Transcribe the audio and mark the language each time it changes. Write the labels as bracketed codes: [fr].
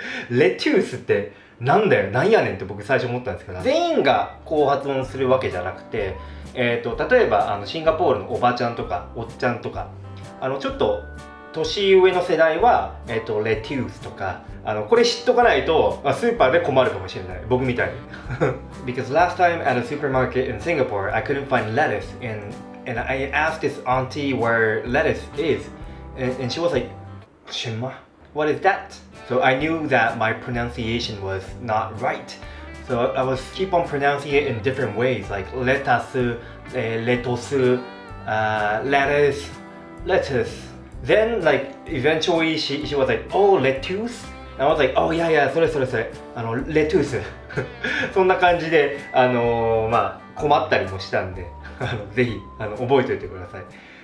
[ja] lettuce ってなんだよ、なんやねんって僕最初思ったんですけど、全員がこう発音するわけじゃなくて、例えばシンガポールのおばちゃんとかおっちゃんとか、ちょっと年上の世代は、レティウスとか、これ知っとかないと、スーパーで困るかもしれない、僕みたいに。 [en] Because last time at a supermarket in Singapore, I couldn't find lettuce, and I asked this auntie where lettuce is, and she was like, シンマ? What is that? So I knew that my pronunciation was not right. So I was keep on pronouncing it in different ways, like lettuce, lettuce, lettuce, lettuce. Then like eventually she was like, oh, lettuce? And I was like, oh yeah, yeah, [ja] それそれそれ、 [en] lettuce. [ja] そんな感じで、まあ、困ったりもしたんで、ぜひ覚えておいてください。